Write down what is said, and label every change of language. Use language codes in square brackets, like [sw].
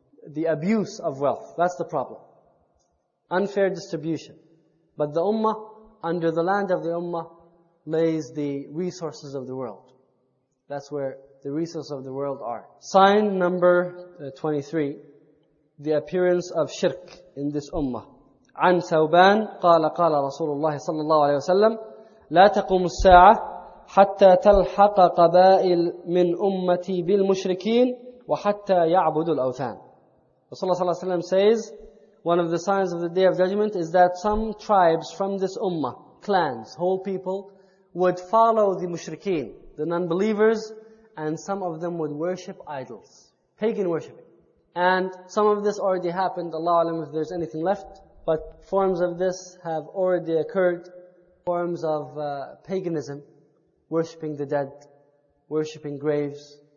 [en] The abuse of wealth. That's the problem. Unfair distribution. But the ummah, under the land of the ummah, lays the resources of the world. That's where the resources of the world are. Sign number 23, the appearance of shirk in this ummah. [ar] عن ثوبان قال قال رسول الله صلى الله عليه وسلم لا تقوم الساعة حتى تلحق قبائل من أمتي بالمشركين وحتى يعبدوا الأوثان. [en] رسول الله صلى الله عليه وسلم says, one of the signs of the Day of Judgment is that some tribes from this ummah, clans, whole people, would follow the mushrikeen, the non-believers, and some of them would worship idols, pagan worshiping. And some of this already happened, Allah alam if there's anything left, but forms of this have already occurred, forms of paganism, worshiping the dead, worshiping graves.